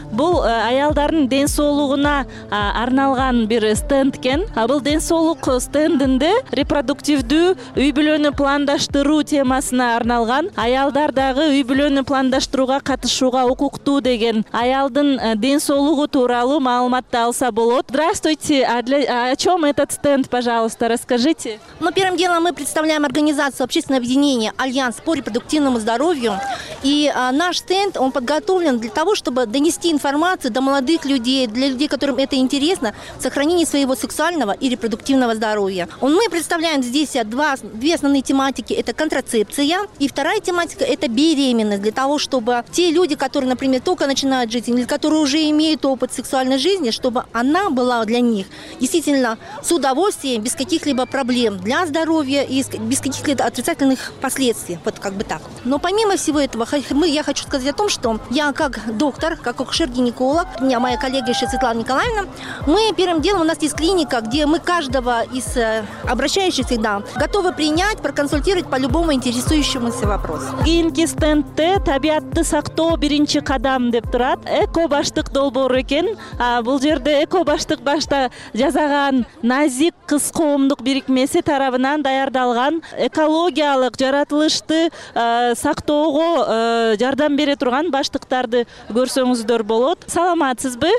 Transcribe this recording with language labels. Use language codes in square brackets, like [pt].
[ky] Бул аялдардын ден соолугуна арналган бир стенд экен. Бул ден соолук стендинде репродуктивдүү үй бүлөнү пландаштыруу темасына арналган, аялдар дагы үй бүлөнү пландаштырууга катышууга укуктуу деген аялдын ден соолугу тууралуу маалыматты алса болот. [ru] Здравствуйте, а для о чем этот стенд, пожалуйста, расскажите. Ну, первым делом мы представляем организацию общественное объединение Альянс по репродуктивному здоровью. И наш стенд, он подготовлен для того, чтобы донести информацию до молодых людей, для людей, которым это интересно, сохранение своего сексуального и репродуктивного здоровья. Мы представляем здесь две основные тематики. Это контрацепция. И вторая тематика – это беременность. Для того, чтобы те люди, которые, например, только начинают жить, или которые уже имеют опыт сексуальной жизни, чтобы она была для них действительно с удовольствием, без каких-либо проблем для здоровья и без каких-либо отрицательных последствий. Вот как бы так. Но помимо всего этого, я хочу сказать о том, что я как доктор, как акушер-гинеколог, у меня моя коллега еще Светлана Николаевна, мы первым делом, у нас есть клиника, где мы каждого из обращающихся, да, готовы принять, проконсультировать по любому интересующемуся вопросу. [ky] Кийинки стендте табиятты сактоо биринчи кадам деп турат. Эко-баштык долбоору экен. Бул жерде эко-баштык башта жазаган назик кыз коомдук бирикмеси тарабынан даярдалган экологиялык жаратылышты сактоого жардам бере турган баштыктарды көрсөңүздөр болот. Саламатсызбы?